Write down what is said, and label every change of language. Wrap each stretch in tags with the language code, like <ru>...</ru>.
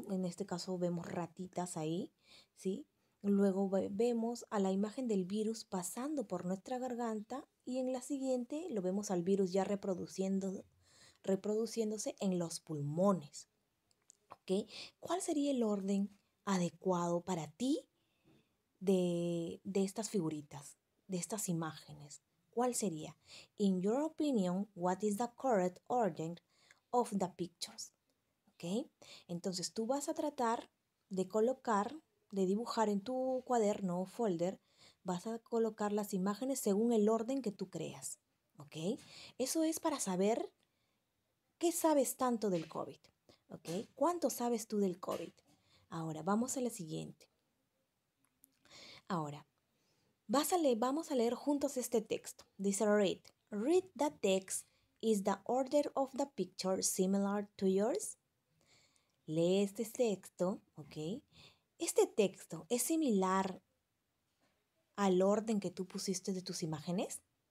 <es>En este caso vemos ratitas ahí, ¿sí? Luego vemos a la imagen del virus pasando por nuestra garganta y en la siguiente lo vemos al virus ya reproduciéndose en los pulmones. ¿Okay? ¿Cuál sería el orden adecuado para ti de estas figuritas, de estas imágenes? ¿Cuál sería?</es> <en>In your opinion, what is the correct order of the pictures? ¿Okay?</en> <es>Entonces tú vas a tratar de colocar, de dibujar en tu cuaderno o folder, vas a colocar las imágenes según el orden que tú creas, ¿ok? Eso es para saber qué sabes tanto del COVID, ¿ok? ¿Cuánto sabes tú del COVID? Ahora, vamos a la siguiente. Ahora, vamos a leer juntos este texto. Dice,</es> <en>read the text. Is the order of the picture similar to yours?</en> <es>Lee este texto, ¿ok? ¿Este texto es similar al orden que tú pusiste de tus imágenes?</es>